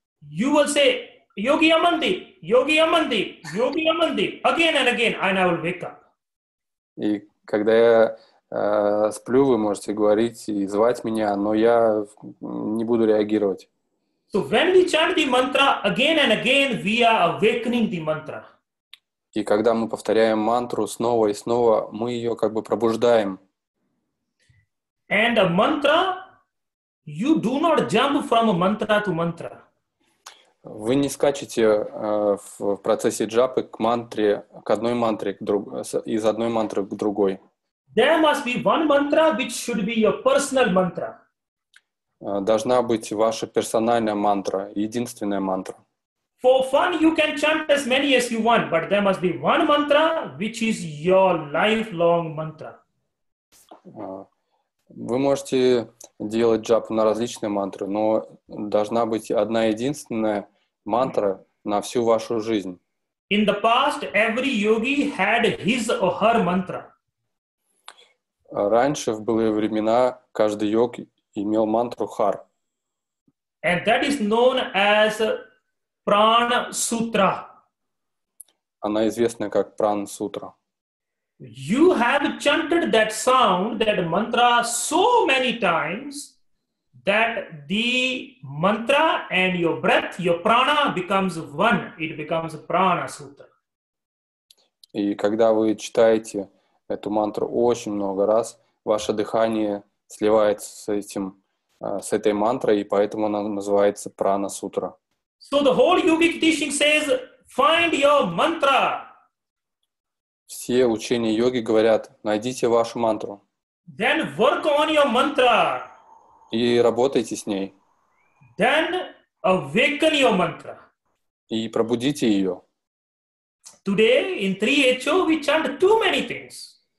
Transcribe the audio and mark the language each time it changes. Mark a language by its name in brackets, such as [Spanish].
[English] you will say, Yogi Amandi, Yogi Amandi, Yogi Amandi, again and again, and I will wake up. [Russian] И когда я сплю, вы можете говорить и звать меня, но я не буду реагировать. [English] So when we chant the mantra again and again, we are awakening the mantra. [Russian] И когда мы повторяем мантру снова и снова, мы ее как бы пробуждаем. [English] And a mantra, you do not jump from a mantra to mantra. [Russian] Вы не скачете в процессе джапы к мантре, к одной мантре, из одной мантры к другой. [English] There must be one mantra, which should be your personal mantra. [Russian] Должна быть ваша персональная мантра, единственная мантра. [English] For fun, you can chant as many as you want, but there must be one mantra, which is your lifelong mantra. [Russian] Вы можете делать джапу на различные мантры, но должна быть одна единственная мантра на всю вашу жизнь. [English] In the past, every yogi had his or her mantra. [Russian] Раньше, в былые времена, каждый йог имел мантру Хар. [English] And that is known as Prana Sutra. [Russian] Она известна как Prana Sutra. [English] You have chanted that sound, that mantra, so many times that the mantra and your breath, your prana becomes one. It becomes Prana Sutra. [Russian] И когда вы читаете эту мантру очень много раз, ваше дыхание сливается с этой мантрой, и поэтому она называется Prana Sutra. [English] So the whole yogic teaching says, find your mantra. [Russian] Все учения йоги говорят, найдите вашу мантру. [English] Then work on your mantra. [Russian] И работайте с ней. [English] Then awaken your mantra. [Russian] И пробудите ее. [English] Today in 3HO we chant too many things.